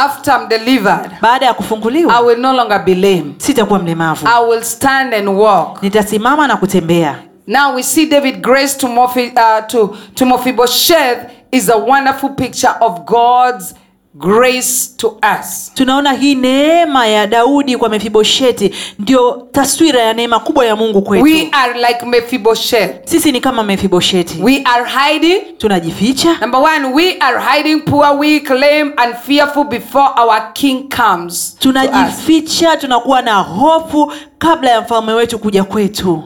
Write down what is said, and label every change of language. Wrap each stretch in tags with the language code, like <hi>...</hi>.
<en>After I'm delivered.</en> <sw>Baada ya kufunguliwa.</sw> <en>I will no longer be lame.</en> <sw>Sitakuwa mlemavu.</sw> <en>I will stand and walk.</en> <sw>Nitasimama na kutembea.</sw> <en>Now we see David grace to Mephibosheth is a wonderful picture of God's grace to us.</en> <sw>Tunaona hii neema ya Daudi kwa Mephibosheti ndio taswira ya neema kubwa ya Mungu kwetu.</sw> <en>We are like Mephibosheth.</en> <sw>Sisi ni kama Mephibosheti.</sw> <en>We are hiding.</en> <sw>Tunajificha.</sw> <en>Number one, we are hiding poor, weak, lame and fearful before our king comes.</en> <sw>Tunajificha, tunakuwa na hofu kabla ya mfalme wetu kuja kwetu.</sw>